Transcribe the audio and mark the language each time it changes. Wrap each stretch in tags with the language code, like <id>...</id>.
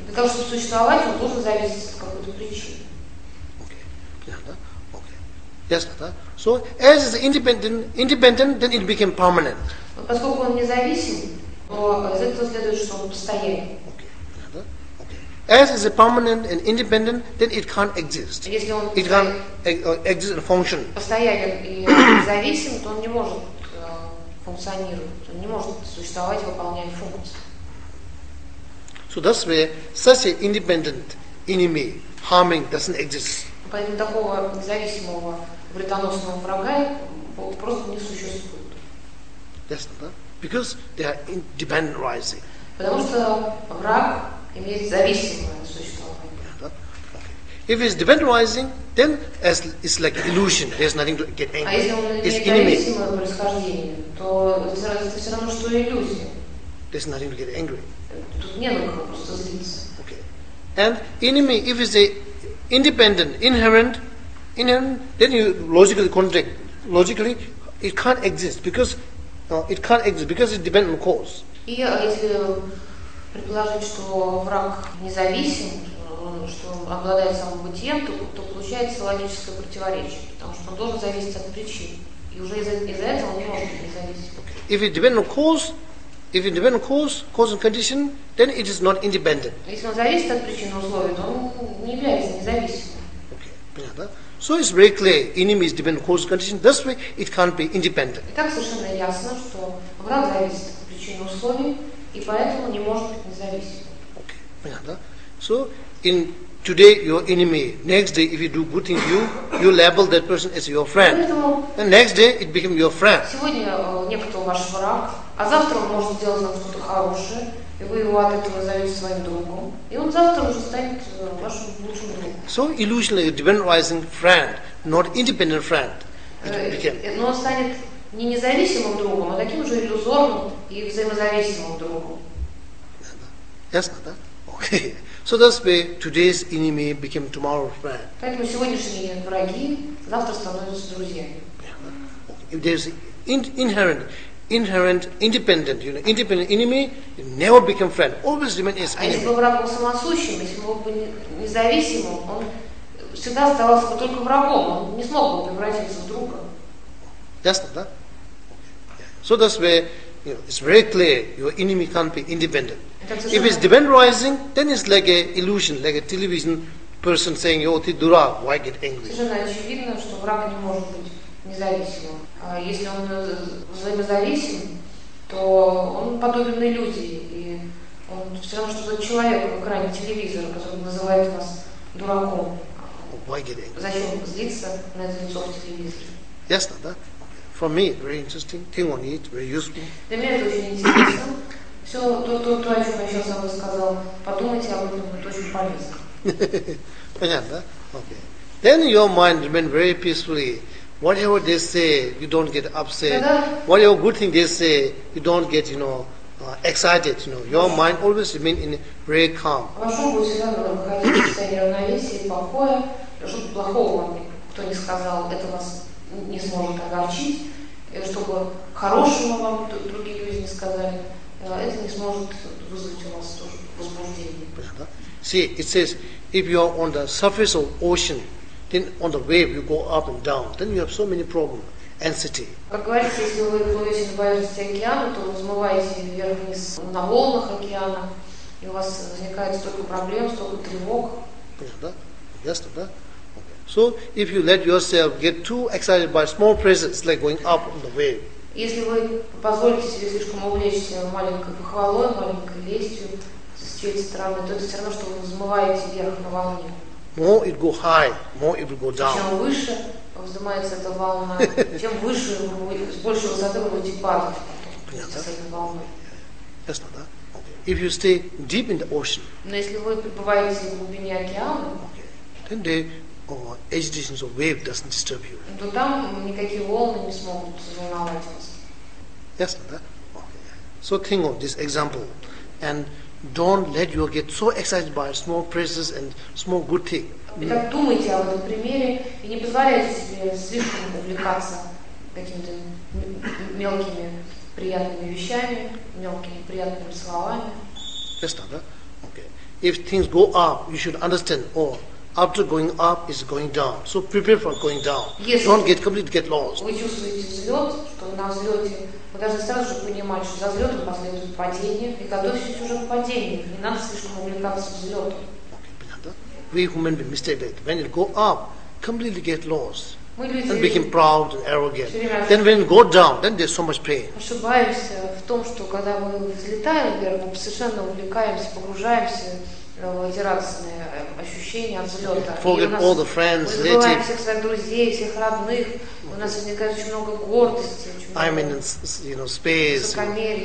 <ru>Для того, чтобы существовать, он должен зависеть от какой-то причины.</ru> <en>Okay.</en> <ru>Понятно?</ru> <en>Yeah, okay. Yes,</en> <ru>да?</ru> <en>So, as it's independent, then it became permanent.</en> <ru>Поскольку он независим, то из этого следует, что он постоянен.</ru> <en>Okay.</en> <ru>Понятно?</ru> <en>Yeah, okay. As it's permanent and independent, then it can't exist.</en> <ru>Если он</ru> <en>it can't exist and function.</en> <ru>Постоянен и зависим, то он не может функционировать. Он не может существовать, выполняя функции.</ru> <en>So that's where such an independent enemy harming doesn't exist.</en> <ru>Поэтому такого независимого вредоносного врага просто не существует.</ru> <en>Yes, no? Because they are independent rising.</en> <ru>Потому что враг имеет зависимое существование.</ru> <en>Yeah, no? Okay. If it's dependent rising, then it's like an illusion. There's nothing to get angry.</en> <ru>А если он имеет зависимое происхождение, то это все равно, что иллюзия.</ru> <en>There's nothing to get angry.</en> <ru>Тут не на кого просто злиться.</ru> <en>Okay. And enemy, if it's a independent, inherent, then you logically contradict. Logically, it can't exist because it depends on cause.</en> <ru>И если предположить, что враг независим, что он обладает самобытием, то получается логическое противоречие, потому что он должен зависеть от причин. И уже из-за этого он не может быть независим.</ru> <en>Okay. If it depends on cause, if it depends on cause and condition, then it is not independent.</en> <ru>Если он зависит от причин условий, то он не является независимым.</ru> <en>Okay,</en> <ru>понятно.</ru> <en>So it's very clear, enemy is dependent on cause and condition. This way, it can't be independent.</en> <ru>Итак, совершенно ясно, что враг зависит от причин условий, и поэтому не может быть независимым.</ru> <en>Okay,</en> <ru>понятно.</ru> <en>So in today your enemy, next day if you do good things, you label that person as your friend.</en> <ru>Поэтому</ru> <en>and next day it became your friend.</en> <ru>Сегодня некто ваш враг. А завтра он может сделать вам что-то хорошее, и вы его от этого зовете своим другом. И он завтра уже станет вашим лучшим другом.</ru> <en>So illusion like a dependent rising friend, not independent friend.</en> <ru>Но он станет не независимым другом, а таким же иллюзорным и взаимозависимым другом. Ясно, да? Окей.</ru> <en>So that's why today's enemy became tomorrow's friend.</en> <ru>Поэтому сегодняшние враги завтра становятся друзьями.</ru> <en>If there's inherent, independent, you know, independent enemy never become friend, always remain as enemy.</en> <ru>А если бы враг был самосущим, если бы он был независимым, он всегда оставался бы только врагом, он не смог бы превратиться в друга. Ясно, да?</ru> <en>So that's where, you know, it's very clear, your enemy can't be independent. If it's demand rising, then it's like an illusion, like a television person saying, yo,</en> <ru>ты дурак,</ru> <en>why get angry?</en> <ru>Совершенно очевидно, что враг не может быть независимым. Если он взаимозависим, то он подобен иллюзии. И он все равно, что человек в экране телевизора, который называет вас дураком.</ru> <en>why get angry?</en> <ru>Зачем злиться на это лицо в телевизоре?</ru> <en>Yes, not that. For me, very interesting. Thing on it, very useful.</en> <ru>Для меня это очень интересно. Все то, о чем я сейчас вам сказал, подумайте об этом, это очень полезно. Понятно, да?</ru> <en>Okay. Then your mind remains very peacefully. Whatever they say, you don't get upset. Whatever good thing they say, you don't get, you know, excited. You know, your mind always remains in very calm.</en> <ru>Вашему будет всегда в каком-то состоянии равновесия и покоя. Чтобы плохого вам кто не сказал, это вас не сможет огорчить. Чтобы хорошего вам другие люди не сказали, это не сможет вызвать у вас тоже возбуждение.</ru> <en>See, it says, if you are on the surface of ocean. Then on the wave you go up and down. Then you have so many problems, anxiety.</en> <ru>Как говорится, если вы плывете на поверхности океана, то вы взмываете вверх вниз на волнах океана, и у вас возникает столько проблем, столько тревог.</ru> <en>Yes,</en> <ru>да?</ru> <en>Okay. So if you let yourself get too excited by small praises, like going up on the wave.</en> <ru>Если вы позволите себе слишком увлечься маленькой похвалой, маленькой лестью с чьей-то стороны, то это все равно, что вы взмываете вверх на волне.</ru> <en>More it go high, more it will go down.</en> <ru>Чем выше вздымается эта волна, тем выше, с большего высоты вы будете падать потом, с этой волной.</ru> <en>Yes, not that. Okay. If you stay deep in the ocean.</en> <ru>Но если вы пребываете в глубине океана,</ru> <en>then the agitations of wave doesn't disturb you.</en> <ru>То там никакие волны не смогут взволновать вас.</ru> <en>Yes, not that. Okay. So think of this example, and. Don't let you get so excited by small praises and small good things.</en> <ru>Итак, думайте об этом примере и не позволяйте себе слишком увлекаться какими-то мелкими приятными вещами, мелкими приятными словами.</ru> <en>Yes, not that. Okay. If things go up, you should understand. Oh, after going up is going down. So prepare for going down.</en> <ru>Если</ru> <en>don't get completely get lost.</en> <ru>Вы чувствуете взлет, что на взлете. Вы должны сразу же понимать, что за взлетом последует падение, и готовьтесь уже к падению. Не надо слишком увлекаться взлетом.</ru> <en>Okay,</en> <ru>понятно?</ru> <en>We human beings mistake that. When it go up, completely get lost.</en> <ru>Мы люди.</ru> <en>And became proud and arrogant. Then when it go down, then there's so much pain.</en> <ru>Ошибаемся в том, что когда мы взлетаем вверх, мы совершенно увлекаемся, погружаемся. Эти радостные ощущения от взлета.</ru> <en>Forget all the friends,</en> <ru>мы забываем всех своих друзей, всех родных. У нас возникает очень много гордости.</ru> <en>I'm in, you know, space.</en>